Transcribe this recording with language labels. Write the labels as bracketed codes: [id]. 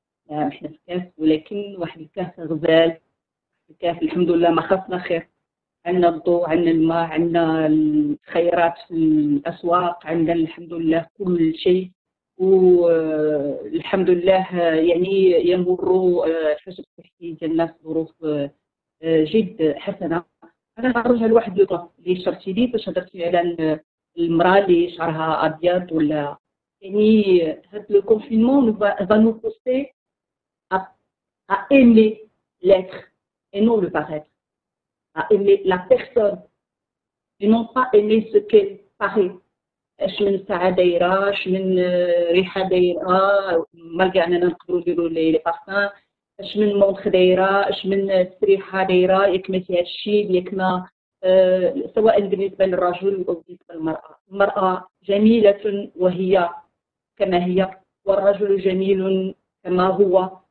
[ar] احنا في الكهف، ولكن واحد الكهف غزال، الكهف الحمد لله ما خصنا خير، عندنا الضوء، عندنا الماء، عندنا الخيرات في الأسواق، عندنا الحمد لله كل شيء، والحمد لله يعني يمر حسب تحديد الناس ظروف جد حسنة. انا نرجع لواحد النقطه اللي شرحتي لي باش هضرتي على المراه اللي شعرها ابيض، ولا يعني هاد لو كونفينمون [fr] va nous pousser à aimer l'être et non le paraître, à aimer la personne et non pas aimer ce qu'elle paraît. [ar] اش من ساعه دايره، اش من ريحه دايره، ملي اننا نقدروا نديروا لي بارفان، اش من مونخ دايره، اش من تسريحه دايره، يكمتي هذا الشيء يكما سواء بالنسبه للرجل او بالنسبه للمراه. المراه جميله وهي كما هي، والرجل جميل كما هو.